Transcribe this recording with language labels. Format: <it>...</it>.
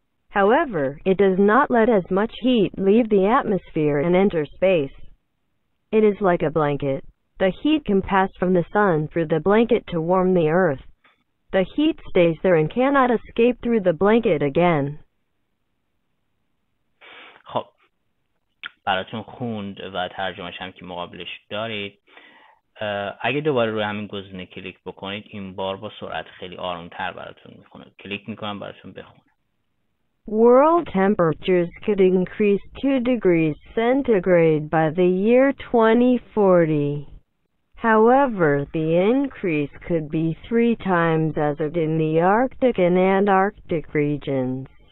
<en>However, it does not let as much heat leave the atmosphere and enter space. It is like a blanket. The heat can pass from the sun through the blanket to warm the earth. The heat stays there and cannot escape through the blanket again.</en> <fa>خب براتون خوند و ترجمه‌اش هم که مقابلش دارید. اگه دوباره روی همین گزینه کلیک بکنید، این بار با سرعت خیلی آروم‌تر براتون می‌خونه. کلیک می‌کنم براتون بخونم.</fa> <en>World temperatures could increase 2 degrees centigrade by the year 2040. However, the increase could be 3 times as it in the Arctic and Antarctic regions.</en>